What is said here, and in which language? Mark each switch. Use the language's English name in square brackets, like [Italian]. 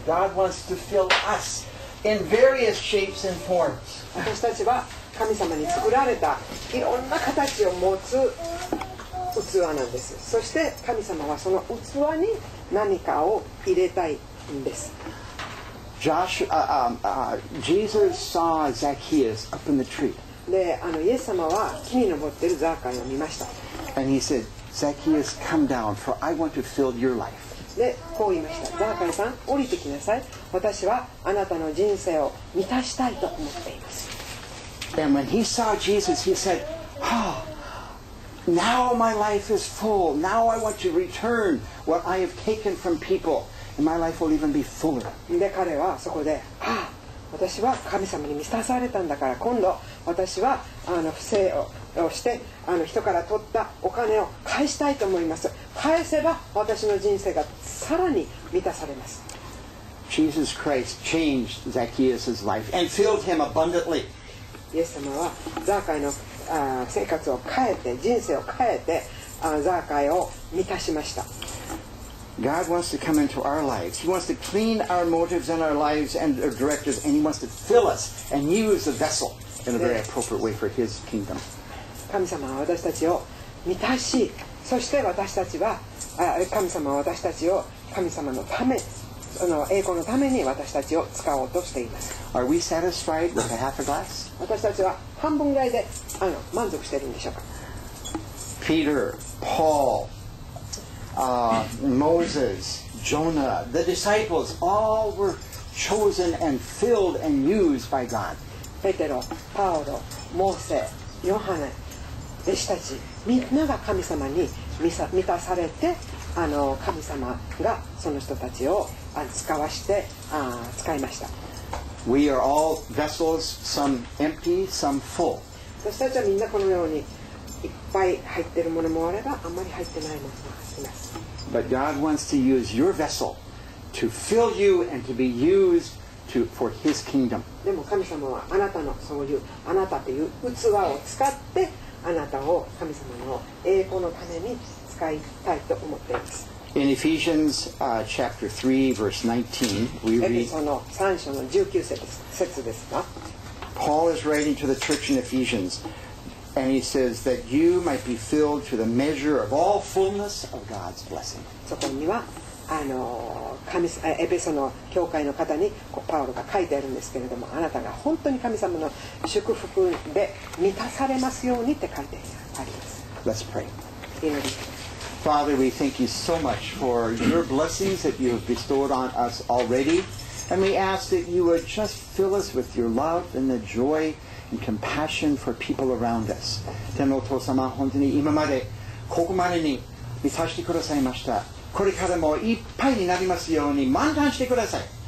[English] God wants to fill us in various shapes and forms. [Japanese] 私たちは神様に作られたいろんな形を持つ器なんです。そして神様はその器に何かを入れたいんです。 [English] Jesus saw Zacchaeus up in the tree. [Japanese] で、イエス様は木に登ってるザーカイを見ました。 [English] And he said, Zacchaeus, come down, for I want to fill your life. [Japanese] でこう言いましたザーカイさん降りてきなさい私はあなたの人生を満たしたいと思っています [English] And when he saw Jesus he said Oh, now my life is full Now I want to return what I have taken from people And my life will even be fuller [Japanese] で彼はそこで、はあ、私は神様に満たされたんだから今度私は不正をして人から取ったお金を返したいと思います返せば私の人生がさらに満たされます [English] Jesus Christ changed Zacchaeus' life and filled him abundantly [Japanese] イエス様はザーカイの生活を変えて人生を変えてザーカイを満たしました [English] God wants to come into our lives He wants to clean our motives and our lives and our directives and He wants to fill us and use the vessel in a very appropriate way for His kingdom [Japanese] 神様は私たちを満たしそして私たちは神様は私たちを神様のためその栄光のために私たちを使おうとしています [English] Are we satisfied with a half a glass? [Japanese] 私たちは半分ぐらいで満足しているんでしょうか [English] Peter, Paul, Moses, Jonah, the disciples all were chosen and filled and used by God [Japanese] ペテロ、パウロ、モーセ、ヨハネ、弟子たちみんなが神様に満たされて神様がその人たちを使わして使いました [English] We are all vessels, some empty, some full [Japanese] 私たちはみんなこのようにいっぱい入っているものもあればあんまり入ってないものもあります [English] But God wants to use your vessel to fill you and to be used for His kingdom [Japanese] でも神様はあなたのそういうあなたという器を使ってあなたを神様の栄光のために使いたいと思っています。 [English] In Ephesians chapter 3 verse 19, we read [Japanese] その3章の19節です。節ですか? [English] Paul is writing to the church in Ephesians, and he says that you might be filled to the measure of all fullness of God's blessing. [Japanese] そこには神エペソの教会の方にパウロが書いてあるんですけれどもあなたが本当に神様の祝福で満たされますようにって書いてあります [English] Let's pray Father we thank you so much for your blessings that you have bestowed on us already and we ask that you would just fill us with your love and the joy and compassion for people around us [Japanese] 天のお父様本当に今までここまでに満たしてくださいましたこれからもいっぱいになりますように満タンしてください。